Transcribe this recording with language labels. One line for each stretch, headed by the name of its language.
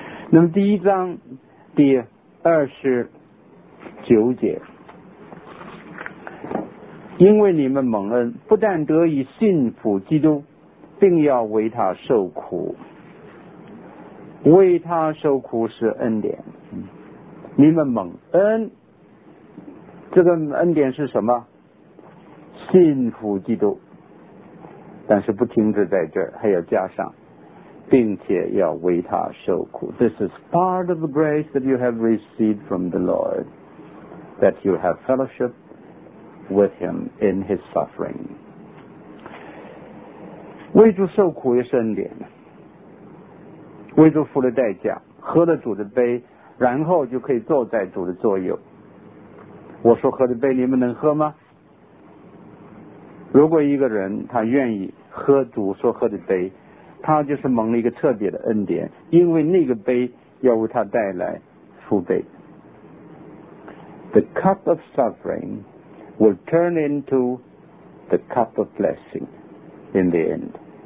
Chinese: 那么第一章第29节，因为你们蒙恩，不但得以信服基督，并要为他受苦，为他受苦是恩典。你们蒙恩，这个恩典是什么？信服基督。但是不停止在这儿，还要加上并且要为他受苦。
English: This is part of the grace that you have received from the Lord, that you have fellowship with him in his suffering。
Chinese: 为主受苦也是恩典，为主付了代价，喝了主的杯，然后就可以坐在主的座右。我说喝的杯你们能喝吗？如果一个人他愿意喝主所喝的杯，他就是蒙了一个特别的恩典，因为那个杯要为他带来福杯。
English: The cup of suffering will turn into the cup of blessing in the end。